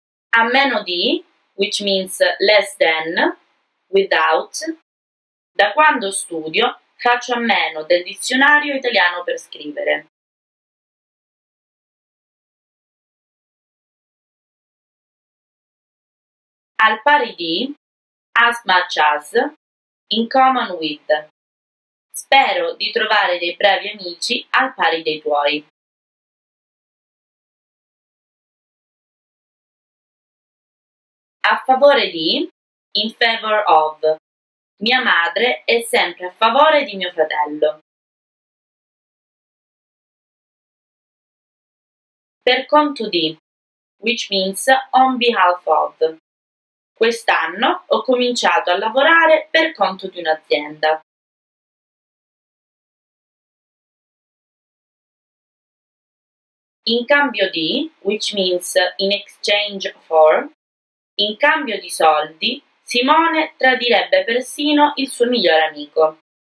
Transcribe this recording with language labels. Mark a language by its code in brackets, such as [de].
[it] A meno di, [en] which means less than, without, [it] da quando studio faccio a meno del dizionario italiano per scrivere. Al pari di, [en] as much as, in common with. [it] Spero di trovare dei bravi amici al pari dei tuoi. A favore di, [en] in favor of. [it] Mia madre è sempre a favore di mio fratello. Per conto di, [en] which means on behalf of. [it] Quest'anno ho cominciato a lavorare per conto di un'azienda. In cambio di, [en] which means in exchange for, [it] in cambio di soldi, Simone tradirebbe persino il suo migliore amico.